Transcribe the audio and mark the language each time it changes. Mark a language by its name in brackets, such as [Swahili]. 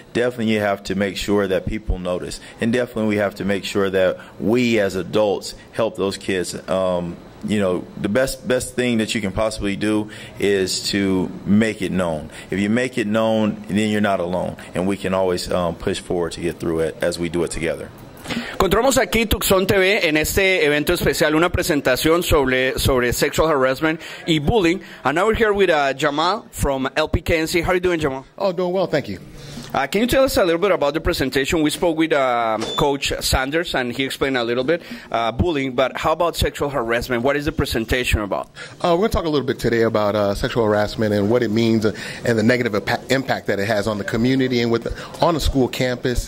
[English] Definitely you have to make sure that people notice. And definitely we have to make sure that we as adults help those kids. The best thing that you can possibly do is to make it known. If you make it known, then you're not alone. And we can always push forward to get through it as we do it together. [Spanish] Encontramos aquí Tucson TV en este evento especial una presentación sobre [English] sexual harassment [Spanish] y bullying. [English] And now we're here with Jamal from LPKNC. How are you doing, Jamal? Oh, doing well, thank you. Can you tell us a little bit about the presentation? We spoke with Coach Sanders, and he explained a little bit bullying, but how about sexual harassment? What is the presentation about? We're going to talk a little bit today about sexual harassment and what it means and the negative impact that it has on the community and on a school campus.